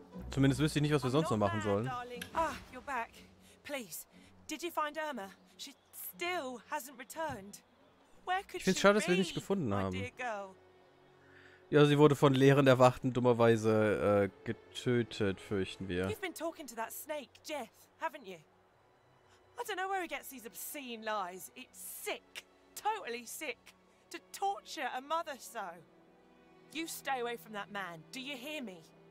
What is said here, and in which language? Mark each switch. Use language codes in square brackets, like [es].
[de] Zumindest wüsste ich nicht, was wir sonst noch machen sollen. [en] Ah, you're back. Please. Did you find Irma? She still hasn't returned. Where could she be? [de] Ich finde es schade, dass wir nicht gefunden haben. Ja, sie wurde von leeren Erwachten dummerweise getötet, fürchten wir. [en] You've been talking to that snake, Jeff, haven't you? I don't know where he gets these obscene lies. It's sick, totally sick, to torture a mother so. You stay away from that man, do you hear me?